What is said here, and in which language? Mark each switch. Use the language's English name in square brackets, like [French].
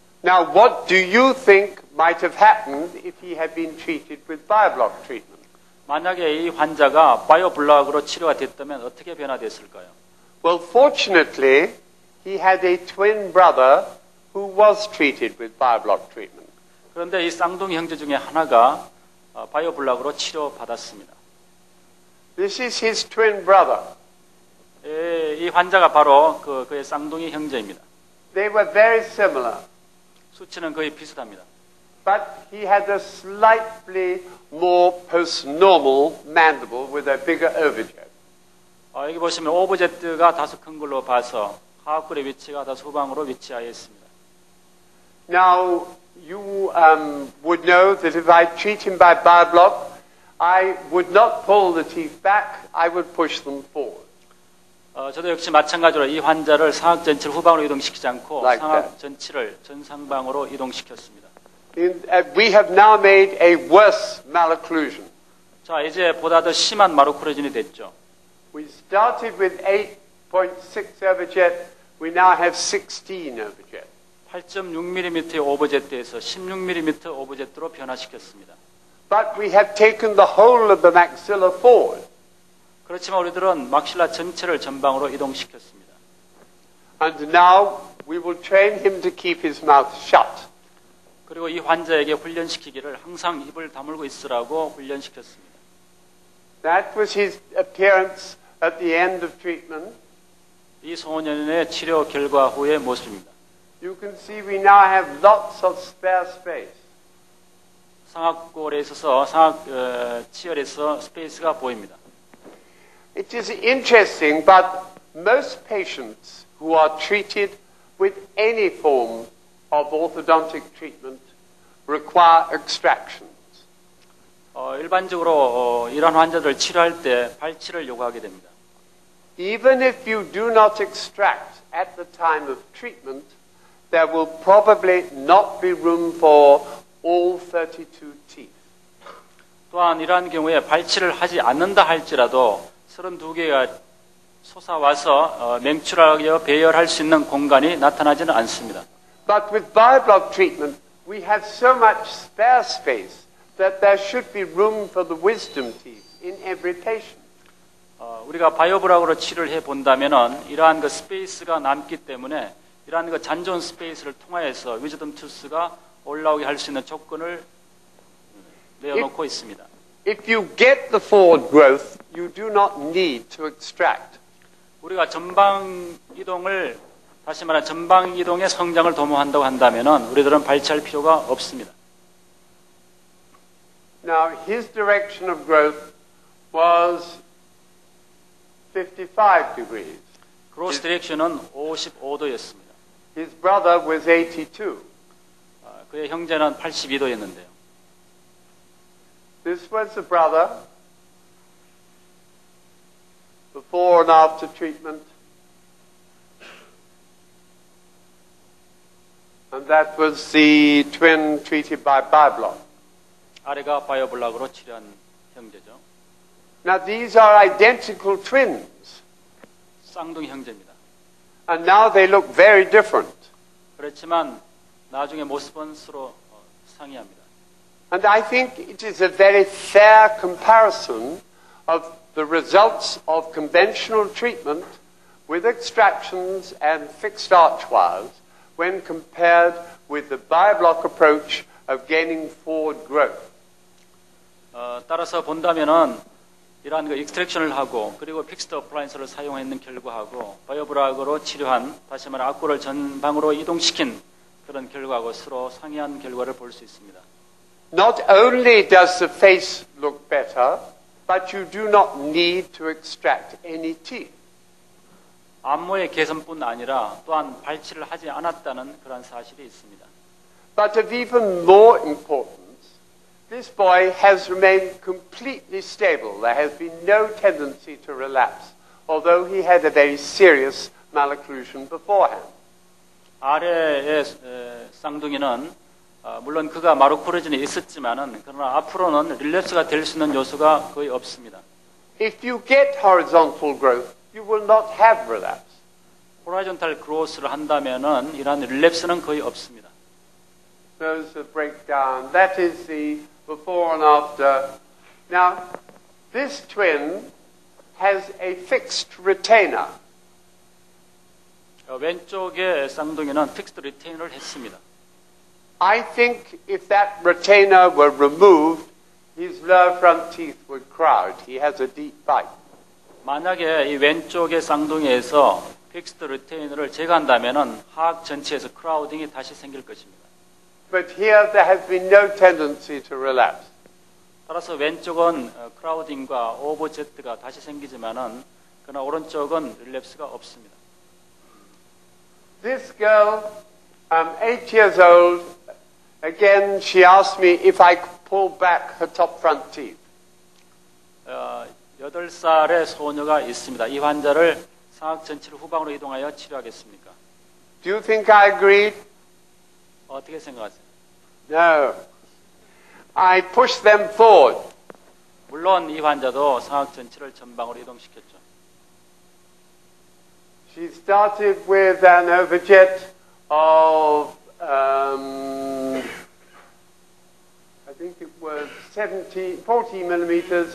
[English] Now, what do you think might have happened if he had been treated with bioblock treatment? [Korean] 만약에 이 환자가 바이오블록으로 치료가 됐다면 어떻게 변화됐을까요? [English] Well, fortunately, he had a twin brother who was treated with bioblock treatment. [Korean] 그런데 이 쌍둥이 형제 중에 하나가 바이오블록으로 치료받았습니다. [English] This is his twin brother. [Korean] 이 환자가 바로 그의 쌍둥이 형제입니다. [English] They were very similar. [Korean] 수치는 거의 비슷합니다. [English] But he had a slightly more post-normal mandible with a bigger overjet. [Korean] 여기 보시면 오버젯가 다소 큰 걸로 봐서 하악골의 위치가 다소 후방으로 위치하여 있습니다. [English] Now you would know that if I treat him by bioblock, I would not pull the teeth back. I would push them forward. [Korean] 저도 역시 마찬가지로 이 환자를 상악 전치를 후방으로 이동시키지 않고 [English] like [Korean] 상악 [English] that. [Korean] 전치를 전상방으로 이동시켰습니다. [English] We have now made a worse malocclusion. [Korean] 자, 이제 보다 더 심한 마루코레진이 됐죠. [English] We started with 8.6 overjet. We now have 16 overjet. [Korean] 8.6mm 오버젯에서 16mm 오버젯으로 변화시켰습니다. [English] But we have taken the whole of the maxilla forward. [Korean] 그렇지만 우리들은 막실라 전체를 전방으로 이동시켰습니다. [English] And now we will train him to keep his mouth shut. [Korean] 그리고 이 환자에게 훈련시키기를 항상 입을 다물고 있으라고 훈련시켰습니다. [English] That was his appearance at the end of treatment. [Korean] 이 소년의 치료 결과 후의 모습입니다. [English] You can see we now have lots of spare space. [Korean] 상악골에 있어서 상악 치열에서 스페이스가 보입니다. [English] It is interesting, but most patients who are treated with any form of orthodontic treatment require extractions. [Korean] 일반적으로 이런 환자들 치료할 때 발치를 요구하게 됩니다. [English] Even if you do not extract at the time of treatment, there will probably not be room for all 32 teeth. [Korean] 또한 이러한 경우에 발치를 하지 않는다 할지라도 32개가 솟아와서 맹출하여 배열할 수 있는 공간이 나타나지는 않습니다. [English] But with bioblock treatment, we have so much spare space that there should be room for the wisdom teeth in every patient. [Korean] 우리가 바이오블록으로 치료를 해본다면은 이러한 그 스페이스가 남기 때문에 이러한 그 잔존 스페이스를 통하여서 위즈덤 투스가 올라오게 할 수 있는 조건을 내어놓고 있습니다. [English] If you get the forward growth, you do not need to extract. [Korean] 우리가 전방 이동을 다시 말해 전방 이동의 성장을 도모한다고 한다면은 우리들은 발치할 필요가 없습니다. [English] Now his direction of growth was 55 degrees. [Korean] 그로스 디렉션은 55도였습니다. [English] His brother was 82. [Korean] 그의 형제는 82도였는데요. [English] This was the brother before and after treatment, and that was the twin treated by bioblock. [Korean] 아래가 바이오블록으로 치료한 형제죠. [English] Now these are identical twins. [Korean] 쌍둥이 형제입니다. [English] And now they look very different. [Korean] 그렇지만 나중에 모습은 서로 상이합니다. [English] And I think it is a very fair comparison of the results of conventional treatment with extractions and fixed arch wires when compared with the bioblock approach of gaining forward growth. [Korean] 따라서 본다면은 이러한 그 익스트랙션을 하고 그리고 픽스드 어플라이언스를 사용했는 결과하고 바이오블록으로 치료한 다시 말해 악골을 전방으로 이동시킨 그런 결과하고 서로 상이한 결과를 볼 수 있습니다. [English] Not only does the face look better, but you do not need to extract any teeth. [Korean] 안모의 개선뿐 아니라 또한 발치를 하지 않았다는 그런 사실이 있습니다. [English] But of even more importance, this boy has remained completely stable. There has been no tendency to relapse, although he had a very serious malocclusion beforehand. [Korean] 아래의 쌍둥이는 물론 그가 마루코레진이 있었지만은 그러나 앞으로는 릴랩스가 될 수 있는 요소가 거의 없습니다. [English] If you get horizontal growth, you will not have relapse. [Korean] 호라이즌탈 그로스를 한다면은 이런 릴랩스는 거의 없습니다. [English] There's a breakdown. That is the before and after. Now, this twin has a fixed retainer. [Korean] 왼쪽의 쌍둥이는 fixed retainer를 했습니다. [English] I think if that retainer were removed, his lower front teeth would crowd. He has a deep bite. [Korean] 만약에 이 왼쪽의 쌍둥이에서 fixed retainer를 제거한다면은 하악 전체에서 crowding이 다시 생길 것입니다. [English] But here there has been no tendency to relapse. [Korean] 따라서 왼쪽은 crowding과 overjet가 다시 생기지만은 그러나 오른쪽은 relapse가 없습니다. [English] This girl, 8 years old, again she asked me if I could pull back her top front teeth. [Korean] 8살의 소녀가 있습니다. 이 환자를 상악 전체를 후방으로 이동하여 치료하겠습니까? [English] Do you think I agreed? [Korean] 어떻게 생각하세요? [English] No. I pushed them forward. [Korean] 물론 이 환자도 상악 전체를 전방으로 이동시켰죠. [English] She started with an overjet of, I think it was 40 millimeters.